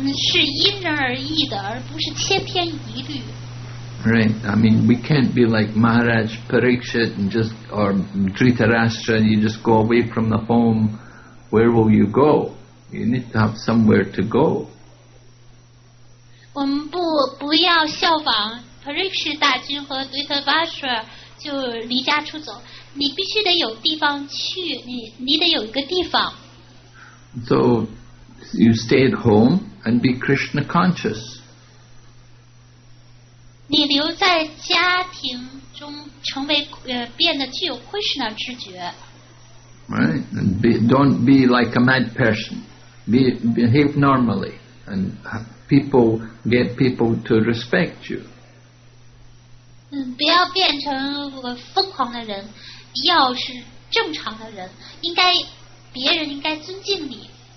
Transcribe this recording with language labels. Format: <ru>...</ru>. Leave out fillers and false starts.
<zh>是因人而异的，而不是千篇一律。</zh> <en>Right. I mean, we can't be like Maharaj Parikshit and just, or Dhritarashtra, and you just go away from the home. Where will you go? You need to have somewhere to go.</en> <zh>我们不要效仿 Parikshit 大君和 Dhritarashtra 就离家出走。你必须得有地方去，你得有一个地方。</zh> <en>So you stay at home and be Krishna conscious.</en> <zh>你留在家庭中，成为变得具有 Krishna 知觉。</zh> <en>Right, and don't be like a mad person. Behave normally, and get people to respect you.</en> <zh>不要变成疯狂的人。要是正常的人，应该别人应该尊敬你。</zh>